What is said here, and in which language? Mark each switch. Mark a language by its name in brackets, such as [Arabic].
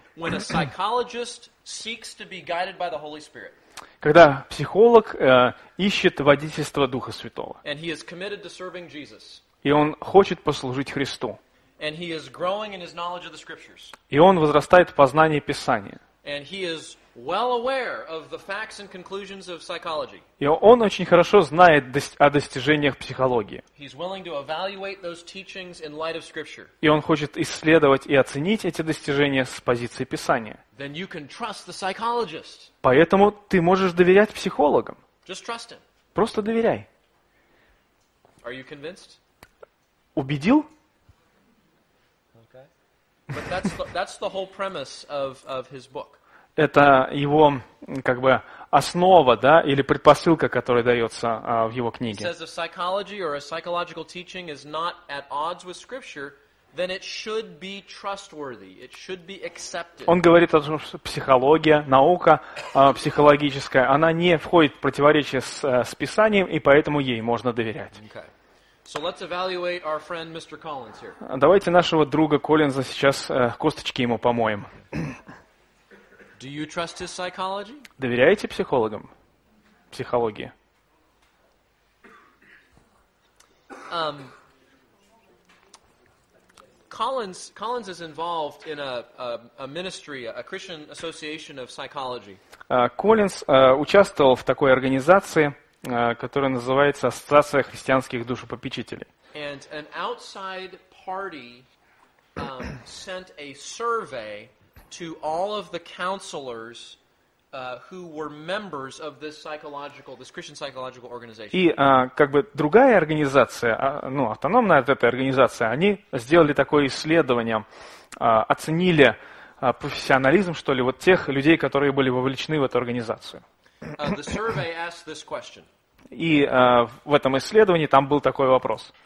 [English] When a psychologist seeks to be guided by the Holy Spirit. [Russian] Когда психолог ищет водительство Духа Святого. [English] And he is committed to serving Jesus. [Russian] И он хочет послужить Христу. [English] And he is growing in his knowledge of the scriptures. [Russian] И он возрастает в познании Писания. [English] And he is well aware of the facts and conclusions of psychology. [Russian] И он очень хорошо знает о достижениях психологии. [English] He's willing to evaluate those teachings in light of scripture. [Russian] И он хочет исследовать и оценить эти достижения с позиции Писания. [English] Then you can trust the psychologist. [Russian] Поэтому ты можешь доверять психологам. [English] Just trust him. [Russian] Просто доверяй. [English] Are you convinced? [Russian] Убедил? [English] Okay. But that's the whole premise of his book. [Russian] Это его как бы основа, да, или предпосылка, которая дается в его книге. [English] He says if psychology or a psychological teaching is not at odds with scripture, then it should be trustworthy. It should be accepted. [Russian] Он говорит о том, что психология, наука психологическая, она не входит в противоречие с Писанием, и поэтому ей можно доверять. [English] Okay. So let's evaluate our friend Mr. Collins here. [Russian] Давайте нашего друга Коллинза сейчас косточки ему помоем. [English] Do you trust his psychology? [Russian] Доверяете психологам? Психологии? [English] Collins is involved in a ministry, a Christian association of psychology. [Russian] Collins участвовал в такой организации, которая называется Ассоциация христианских душепопечителей. [English] And an outside party sent a survey to all of the counselors who were members of this Christian psychological organization. [Russian] И как бы другая организация, ну, автономная от этой организации, они сделали такое исследование, оценили профессионализм, что ли, вот тех людей, которые были вовлечены в эту организацию. [English] The survey asked this question. [Russian] И в этом исследовании там был такой вопрос.